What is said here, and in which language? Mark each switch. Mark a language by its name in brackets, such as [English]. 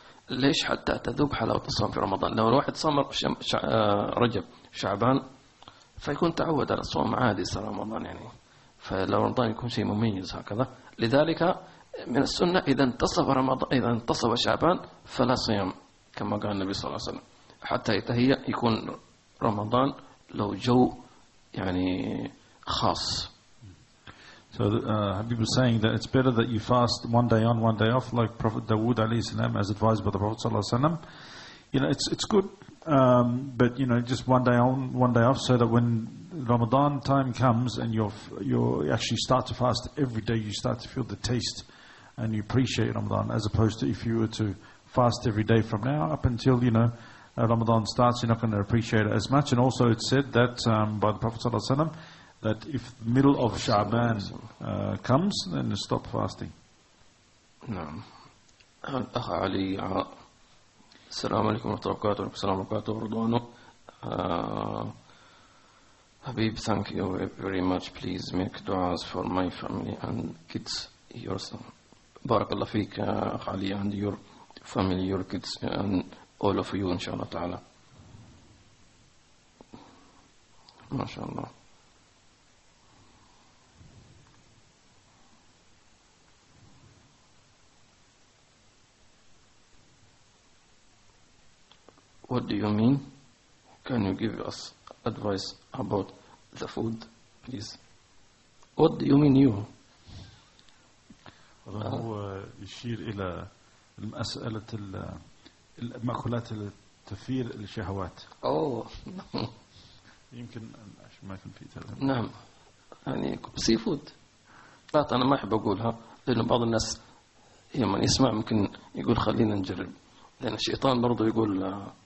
[Arabic] ليش؟ حتى تذوب حلاوة الصوم في رمضان. لو الواحد صام رجب شعبان فيكون تعود على الصوم عادي في رمضان يعني، فلو رمضان يكون شيء مميز هكذا. لذلك من السنة إذا انتصف رمضان، إذا انتصف شعبان فلا صيام، كما قال النبي صلى الله عليه وسلم، حتى يتهيأ يكون رمضان لو جو يعني خاص. [English] So Habib was saying that it's better that you fast one day on, one day off, like Prophet Dawood alayhi salam, as advised by the Prophet sallallahu alayhi wasallam. You know, it's good, but you know, just one day on, one day off, so that when Ramadan time comes and you actually start to fast every day, you start to feel the taste and you appreciate Ramadan, as opposed to if you were to fast every day from now up until, you know, Ramadan starts, you're not going to appreciate it as much. And also it's said that by the Prophet sallallahu alayhi wasallam, that if the middle of Sha'ban comes, then stop fasting. [Arabic] نعم. الأخ علي، السلام عليكم ورحمة الله وبركاته. السلام عليكم ورضوانه. [English] Habib, thank you very much. Please make du'as for my family and kids. Your son. [Arabic] بارك الله فيك أخ علي، [English] and your family, your kids, and all of you, inshallah ta'ala. [Arabic] ما شاء الله. [English] What do you mean? Can you give us advice about the food, please? What do you mean, you? [Arabic] هذا هو يشير إلى المسألة المأكولات تثير الشهوات. Oh. يمكن ما يكون في تلف. نعم. يعني سي فود. لا، أنا ما أحب أقولها، لأن بعض الناس يمن يسمع ممكن يقول خلينا نجرب، لأن الشيطان برضو يقول.